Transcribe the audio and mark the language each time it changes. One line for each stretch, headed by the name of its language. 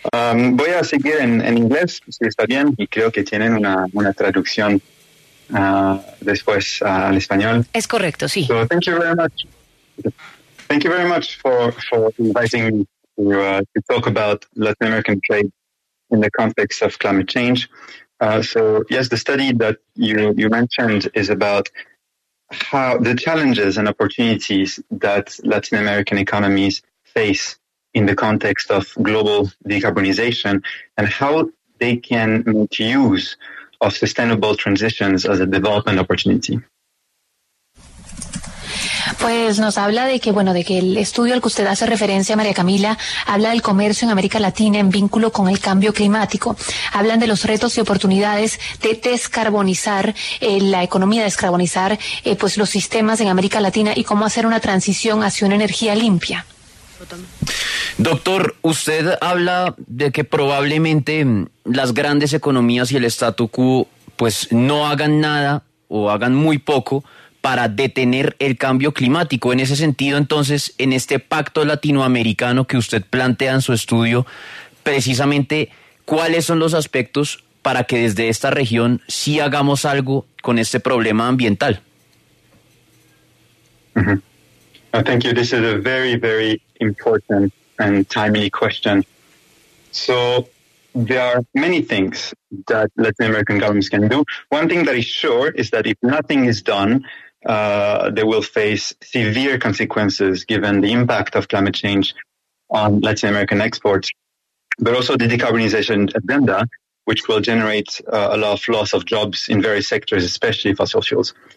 Spanish: Voy a seguir en inglés, si está bien, y creo que tienen una traducción después al español. Es correcto, sí.
English: So, thank you very much. Thank you very much for inviting me to talk about Latin American trade in the context of climate change. So yes, the study that you mentioned is about how the challenges and opportunities that Latin American economies face in the context of global decarbonization and how they can make use of sustainable transitions as a development opportunity.
Spanish: Pues nos habla de que, bueno, de que el estudio al que usted hace referencia, María Camila, habla del comercio en América Latina en vínculo con el cambio climático. Hablan de los retos y oportunidades de descarbonizar la economía, descarbonizar pues los sistemas en América Latina y cómo hacer una transición hacia una energía limpia. Doctor, usted habla de que probablemente las grandes economías y el statu quo pues no hagan nada o hagan muy poco para detener el cambio climático. En ese sentido, entonces, en este pacto latinoamericano que usted plantea en su estudio, precisamente, ¿cuáles son los aspectos para que desde esta región sí hagamos algo con este problema ambiental?
English: Mm-hmm. Oh, thank you. This is a very, very important and timely question. So there are many things that Latin American governments can do. One thing that is sure is that if nothing is done, they will face severe consequences given the impact of climate change on Latin American exports, but also the decarbonization agenda, which will generate a lot of loss of jobs in various sectors, especially fossil fuels.